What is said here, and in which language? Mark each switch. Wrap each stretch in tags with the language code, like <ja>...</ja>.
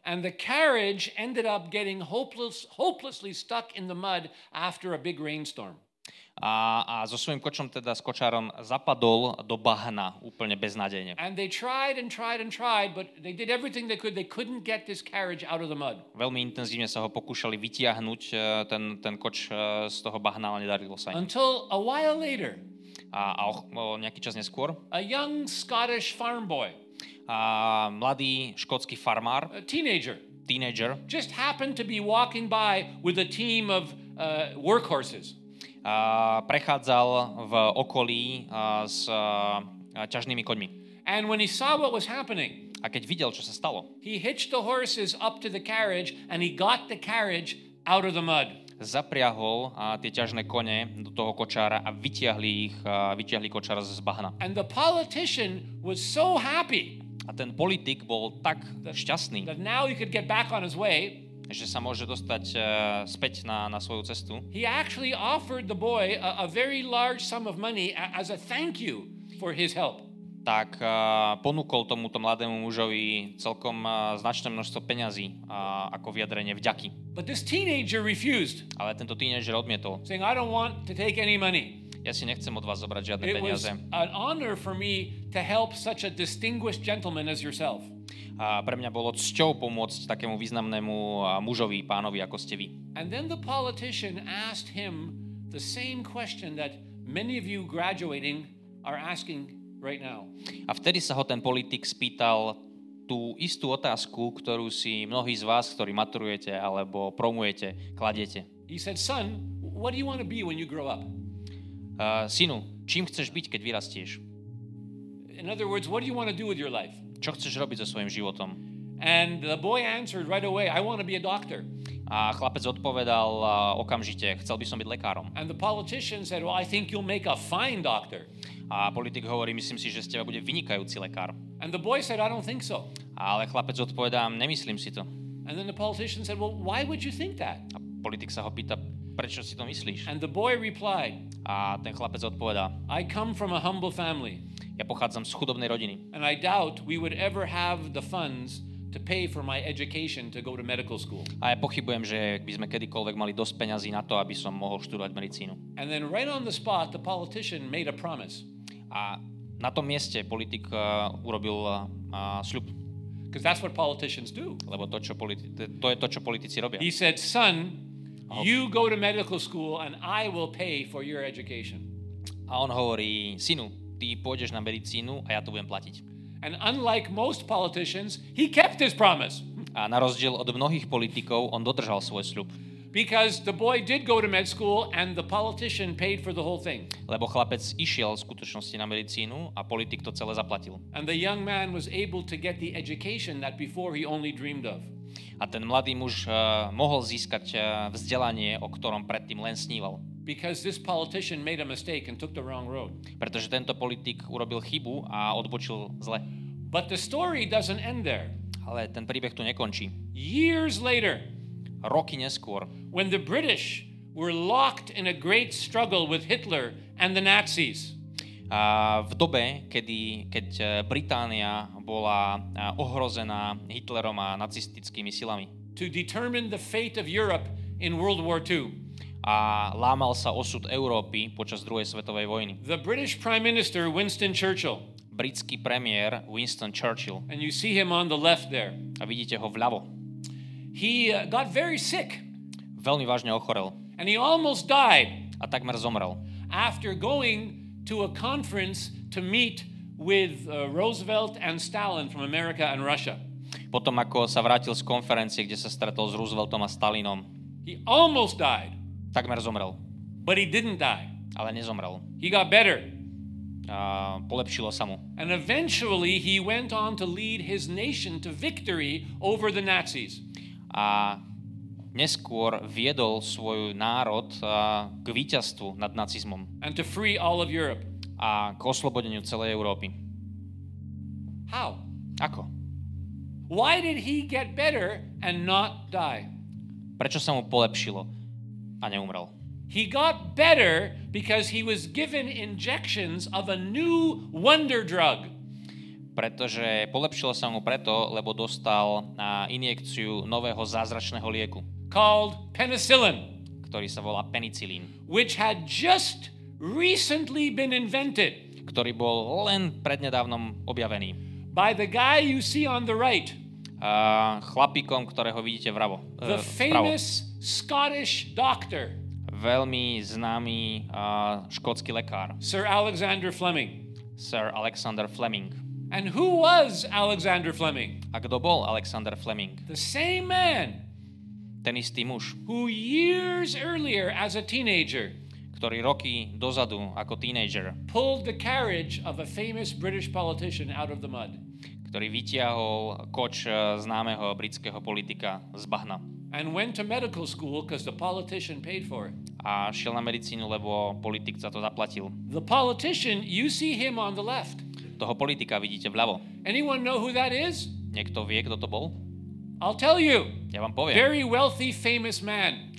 <en>And the carriage ended up getting hopelessly stuck in the mud after a big rainstorm.</en> <sk>A so svojím kočom, teda s kočárom, zapadol do bahna úplne beznádejne.</sk> <en>And they tried and tried and tried, but they did everything they could. They couldn't get this carriage out of the mud.</en> <sk>Veľmi intenzívne sa ho pokúšali vytiahnuť ten koč z toho bahna, ale nedarilo sa im.</sk> <en>Until a while later.</en> <sk>Nejaký čas neskôr.</sk> <en>A young Scottish farm boy.</en> <sk>A mladý škótsky farmár.</sk> <en>A teenager.</en> <sk>Teenager.</sk> <en>Just happened to be walking by with a team of workhorses.</en> <sk>Prechádzal v okolí s ťažnými koňmi.</sk> <en>And when he saw what was happening.</en> <sk>A keď videl, čo sa stalo.</sk> <en>He hitched the horses up to the carriage and he got the carriage out of the mud.</en> <sk>Zapriahol tie ťažné kone do toho kočára a vytiahli kočár z bahna.</sk> <en>And the politician was so happy.</en> <sk>A ten politik bol tak šťastný.</sk> <en>That now he could get back on his way.</en> <sk>Že sa môže dostať späť na svoju cestu.</sk> <en>He actually offered the boy a very large sum of money as a thank you for his help.</en> <sk>Tak ponúkol tomuto mladému mužovi celkom značné množstvo peňazí ako vyjadrenie vďaky.</sk> <en>But this teenager refused.</en> <sk>Ale tento teenager odmietol.</sk> <en>Saying, I don't want to take any money.</en> <sk>Ja si nechcem od vás zobrať žiadne peniaze.</sk> <en>It was an honor for me to help such a distinguished gentleman as yourself.</en> <sk>A pre mňa bolo cťou pomôcť takému významnému mužovi, pánovi, ako ste vy.</sk> <en>And then the politician asked him the same question that many of you graduating are asking right now.</en> <sk>A vtedy sa ho ten politik spýtal tú istú otázku, ktorú si mnohí z vás, ktorí maturujete alebo promujete, kladiete.</sk> <en>He said, son, what do you want to be when you grow up?</en> <sk>Synu, čím chceš byť, keď vyrastieš?</sk> <en>In other words, what do you want to do with your life?</en> <sk>Čo chceš robiť so svojím životom?</sk> <en>And the boy answered right away, I want to be a doctor.</en> <sk>A chlapec odpovedal okamžite, chcel by som byť lekárom.</sk> <en>And the politician said, well, I think you'll make a fine doctor.</en> <sk>A politik hovorí, myslím si, že z teba bude vynikajúci lekár.</sk> <en>And the boy said, I don't think so.</en> <sk>Ale chlapec odpovedá, nemyslím si to.</sk> <en>And then the politician said, well, why would you think that?</en> <sk>A politik sa ho pýta, prečo si to myslíš?</sk> <en>And the boy replied,</en> <sk>a ten chlapec odpovedá,</sk> <en>I come from a humble family.</en> <sk>Ja pochádzam z chudobnej rodiny.</sk> <en>And I doubt we would ever have the funds to pay for my education to go to medical school.</en> <sk>A ja pochybujem, že by sme kedykoľvek mali dosť peňazí na to, aby som mohol študovať medicínu.</sk> <en>And then right on the spot the politician made a promise.</en> <sk>A na tom mieste politik urobil sľub.</sk> <en>Because that's what politicians do.</en> <sk>Lebo to je to, čo politici robia.</sk> <en>He said, son, You go to medical school and I will pay for your education.</en> <sk>A on hovorí: synu, ty pôjdeš na medicínu a ja to budem platiť.</sk> <en>And unlike most politicians, he kept his promise.</en> <sk>A na rozdiel od mnohých politikov, on dodržal svoj sľub.</sk> <en>Because the boy did go to med school and the politician paid for the whole thing.</en> <sk>Lebo chlapec išiel v skutočnosti na medicínu a politik to celé zaplatil.</sk> <en>And the young man was able to get the education that before he only dreamed of.</en> <sk>A ten mladý muž mohol získať vzdelanie, o ktorom predtým len sníval.</sk> <en>Because this politician made a mistake and took the wrong road.</en> <sk>Pretože tento politik urobil chybu a odbočil zle.</sk> <en>But the story doesn't end there.</en> <sk>Ale ten príbeh tu nekončí.</sk> <en>Years later,</en> <sk>roky neskôr,</sk> <en>when the British were locked in a great struggle with Hitler and the Nazis.</en> <sk>A v dobe, keď Británia bola ohrozená Hitlerom a nacistickými silami.</sk> <en>To determine the fate of Europe in World War II.</en> <sk>A lámal sa osud Európy počas druhej svetovej vojny.</sk> <en>The British Prime Minister Winston Churchill.</en> <sk>Britský premiér Winston Churchill.</sk> <en>And you see him on the left there.</en> <sk>A vidíte ho vľavo.</sk> <en>He got very sick.</en> <sk>Veľmi vážne ochorel.</sk> <en>And he almost died.</en> <sk>A takmer zomrel.</sk> <en>After going to a conference to meet with Roosevelt and Stalin from America and Russia.</en> <sk>Potom ako sa vrátil z konferencie, kde sa stretol s Rooseveltom a Stalinom.</sk> <en>He almost died.</en> <sk>Takmer zomrel.</sk> <en>But he didn't die.</en> <sk>Ale nezomrel.</sk> <en>He got better.</en> <sk>A polepšilo sa mu.</sk> <en>And eventually he went on to lead his nation to victory over the Nazis.</en> <sk>A neskôr viedol svoj národ k víťazstvu nad nacizmom.</sk> <en>And to free all of Europe.</en> <sk>A k oslobodeniu celej Európy.</sk> <en>How?</en> <sk>Ako?</sk> <en>Why did he get better and not die?</en> <sk>Prečo sa mu polepšilo a neumrel?</sk> <en>He got better because he was given injections of a new wonder drug.</en> <sk>Pretože polepšilo sa mu preto, lebo dostal na injekciu nového zázračného lieku.</sk> <en>Called penicillin.</en> <sk>Ktorý sa volá penicilín.</sk> <en>Which had just recently been invented.</en> <sk>Ktorý bol len prednedávnom objavený.</sk> <en>By the guy you see on the right.</en> <sk>Chlapíkom, ktorého vidíte vravo.</sk> <en>The famous Scottish doctor.</en> <sk>Veľmi známy škótsky lekár.</sk> <en>Sir Alexander Fleming.</en> <sk>Sir Alexander Fleming.</sk> <en>And who was Alexander Fleming?</en> <sk>A kto bol Alexander Fleming?</sk> <en>The same man.</en> <sk>Ten istý muž.</sk> <en>Who years earlier as a teenager.</en> <sk>Ktorý roky dozadu ako teenager.</sk> <en>Pulled the carriage of a famous British politician out of the mud.</en> <sk>Ktorý vytiahol koč známeho britského politika z bahna.</sk> <en>And went to medical school because the politician paid for it.</en> <sk>A šiel na medicínu, lebo politik za to zaplatil.</sk> <en>The politician, you see him on the left.</en> <sk>Toho politika vidíte vľavo.</sk> <en>Anyone know who that is?</en> <sk>Niekto vie, kto to bol?</sk> <en>I'll tell you.</en> <sk>Ja vám poviem.</sk> <en>Very wealthy, famous man.</en>